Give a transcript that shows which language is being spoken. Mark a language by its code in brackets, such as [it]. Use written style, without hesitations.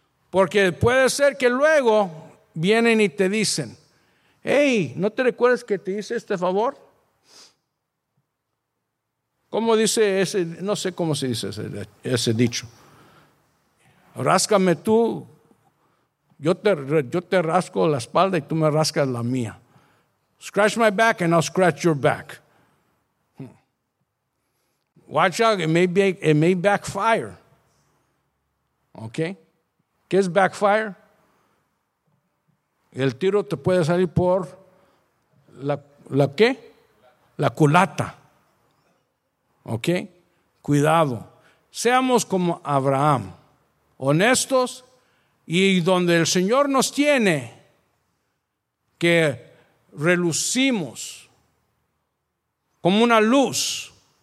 [es] Porque puede ser que luego vienen y te dicen, hey, ¿no te recuerdas que te hice este favor? ¿Cómo dice ese? No sé cómo se dice ese dicho. Ráscame tú, yo te rasco la espalda y tú me rascas la mía. [en] Scratch my back and I'll scratch your back. Watch out, it may backfire. [es] ¿Ok? ¿Qué es backfire? El tiro te puede salir por la ¿qué? La culata. Ok, cuidado, seamos como Abraham, honestos, y donde el Señor nos tiene, que relucimos como una luz.